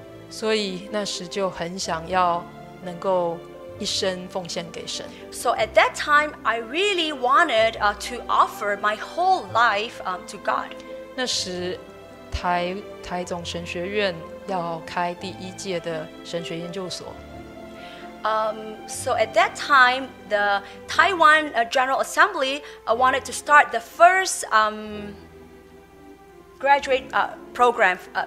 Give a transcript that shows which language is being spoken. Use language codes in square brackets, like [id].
[zh] 所以那时就很想要能够一生奉献给神。 [en] So at that time, I really wanted to offer my whole life to God. [zh] 那时台中神学院要开第一届的神学研究所。 [en] So at that time, the Taiwan General Assembly wanted to start the first graduate program.